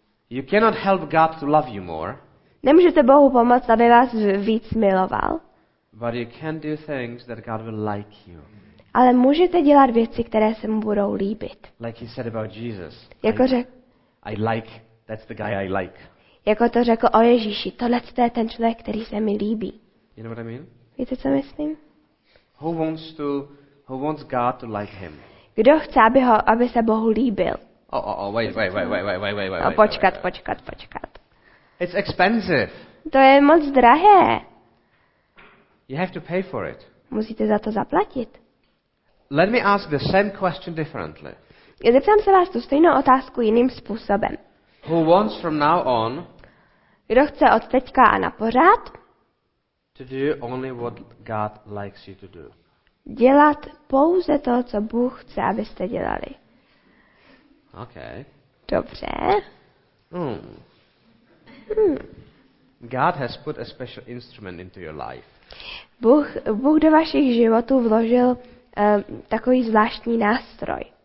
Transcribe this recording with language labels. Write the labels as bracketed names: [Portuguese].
[English] You cannot help God to love you more. [Czech] Nemůžete Bohu pomoct, aby vás víc miloval. [English] But you can do things that God will like you. [Czech] Ale můžete dělat věci, které se mu budou líbit. [English] Like he said about Jesus. [Czech] Jako řekl. [English] I like. That's the guy I like. [Czech] Jako to řekl o Ježíši. Tohle je ten člověk, který se mi líbí. [English] You know what I mean? [Czech] Víte, co myslím? [English] Who wants God to like him? [Czech] Kdo chce, aby se Bohu líbil? [English] Oh, wait. [Czech] Počkat. [English] It's expensive. [Czech] To je moc drahé. [English] You have to pay for it. [Czech] Musíte za to zaplatit. [English] Let me ask the same question differently. [Czech] Zeptám se vás tu stejnou otázku jiným způsobem. [English] Who wants from now on? [Czech] Kdo chce od teďka a napořád? [English] To do only what God likes you to do. [Czech] Dělat pouze to, co Bůh chce, abyste dělali. [English] Okay. [Czech] Dobře. [English] God has put a special instrument into your life. [Czech] Bůh do vašich životů vložil takový zvláštní nástroj.